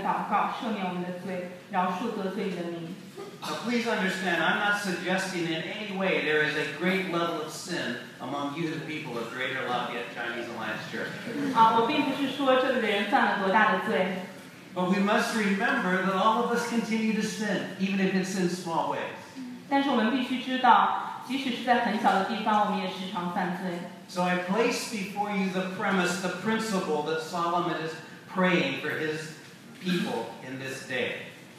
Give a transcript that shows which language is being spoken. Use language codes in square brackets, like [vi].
[zh] 接下来的经文中就说到，神必从天上垂听我们的祷告，赦免我们的罪，饶恕得罪你的名。 [en] Now please understand, I'm not suggesting in any way there is a great level of sin among you, the people of Greater Lafayette Chinese Alliance Church. [zh] 我并不是说这里的人犯了多大的罪。 [en] But we must remember that all of us continue to sin, even if it's in small ways. [zh] 但是我们必须知道，即使是在很小的地方，我们也时常犯罪。 [en] So I place before you the premise, the principle that Solomon is praying for his people in this day.